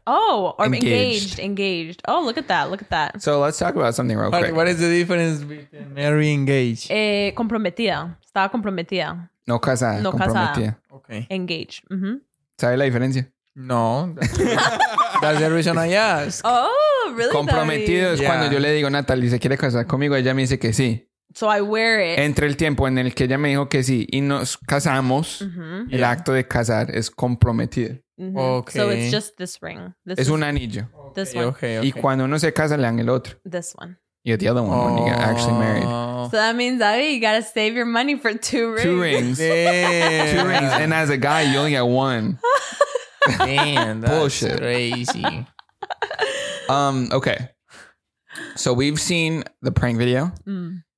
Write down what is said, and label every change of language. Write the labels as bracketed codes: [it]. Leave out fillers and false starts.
[en] Oh, or engaged. Engaged. Oh, look at that. Look at that. So let's talk about something real quick. What is the difference between married and engaged? [es] Comprometida. Estaba comprometida. No casa. No casa. [en] Okay. Engaged. [es] ¿Sabes la diferencia? No. [en] That's the reason I asked. Oh, really? [es] Comprometido es cuando yo le digo, Natalie, ¿se quiere casar conmigo? Ella me dice que sí. [en] So I wear it. [es] Entre el tiempo en el que ella me dijo que sí y nos casamos, el acto de casar es comprometido. [en] Mm-hmm. Okay. So it's just this ring. This [es] es un anillo. [en] Okay. This one. Okay, okay. [es] Y cuando uno se casa, le dan el otro. [en] This one. You get the other one when you get actually married. So that means, Abby, you got to save your money for two rings. Two rings. Damn. Two rings. And as a guy, you only get one. Damn. That's bullshit. Crazy. Okay. So we've seen the prank video. Mm.